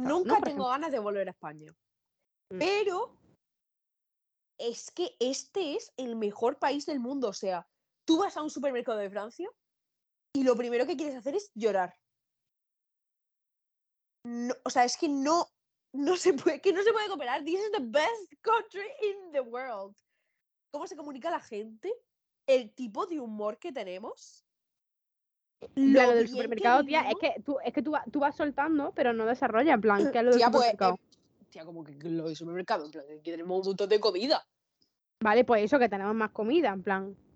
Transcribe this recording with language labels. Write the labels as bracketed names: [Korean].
[Spanish] Nunca tengo ganas de volver a España. Pero... es que este es el mejor país del mundo. O sea, tú vas a un supermercado de Francia y lo primero que quieres hacer es llorar. No, o sea, es que no se puede comparar. [English] This is the best country in the world. [Spanish] ¿Cómo se comunica la gente? El tipo de humor que tenemos. Lo del supermercado, tía, es que tú vas soltando, pero no desarrolla. En plan, ¿qué es lo del supermercado? Como que lo del supermercado, en plan, aquí tenemos un montón de comida. Vale, pues eso, que tenemos más comida, en plan.